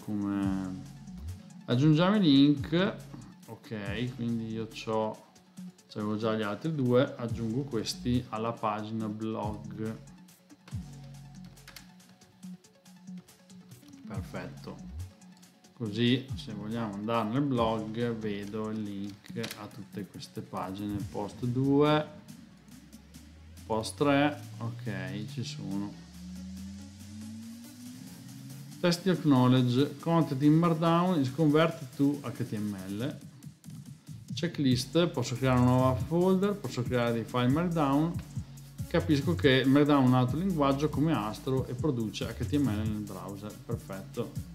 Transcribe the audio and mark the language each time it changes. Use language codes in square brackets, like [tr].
[it] Come aggiungiamo il link, ok, quindi io c'ho, c'avevo già gli altri due, aggiungo questi alla pagina blog, perfetto. Così se vogliamo andare nel blog vedo il link a tutte queste pagine, post 2, post 3, ok, ci sono. [en] Test your knowledge, content in markdown is converted to HTML. [it] Checklist, posso creare un nuovo folder, posso creare dei file markdown. Capisco che markdown è un altro linguaggio come Astro e produce HTML nel browser, perfetto.